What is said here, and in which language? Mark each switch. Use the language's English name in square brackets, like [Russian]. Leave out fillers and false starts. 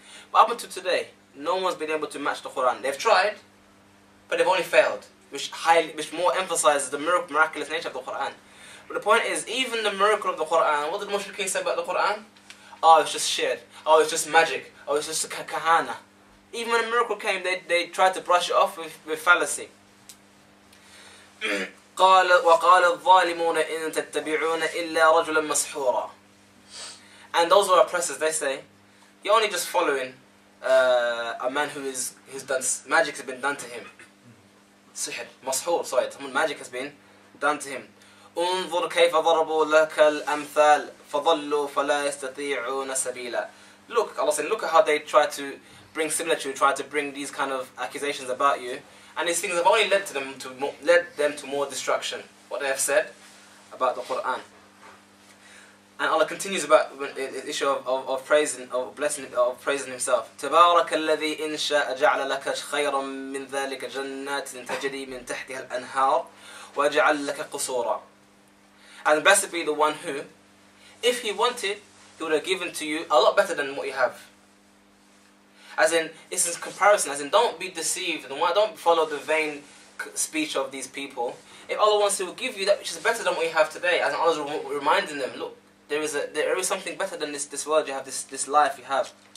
[English] But up until today, no one's been able to match the Qur'an. They've tried, but they've only failed, which more emphasizes the miraculous nature of the Qur'an. But the point is, even the miracle of the Qur'an, what did Mushrikeen say about the Qur'an? Oh, it's just shirk. Oh, it's just magic. Oh, it's just a kahana. Even when a miracle came, they tried to brush it off with fallacy. [Arabic] وقال الظالمون إن تتبعون إلا رجلا مسحورا. [English] And those who are oppressors, they say, you're only just following a man who's done magic has been done to him. [Arabic] سحر مسحور [English] sorry, someone magic has been done to him. [Arabic] انظر كيف ضربوا لك الأمثال فضلوا فلا يستطيعون سبيلا. [English] Look, Allah said, look at how they try to bring similitude, try to bring these kind of accusations about you. And these things have only led them to more destruction. What they have said about the Quran. And Allah continues about the issue of praising Himself. [Arabic] تبارك الذي إن شاء جعل لك خيرا من ذلك جنات تجري من تحتها الأنهار وجعل لك قصورا. [English] And blessed be the one who, if he wanted, he would have given to you a lot better than what you have. As in, this is comparison, as in, don't be deceived, and don't follow the vain speech of these people. If Allah wants to, he will give you that which is better than what you have today, as in Allah is reminding them, look, there is something better than this world you have, this life you have.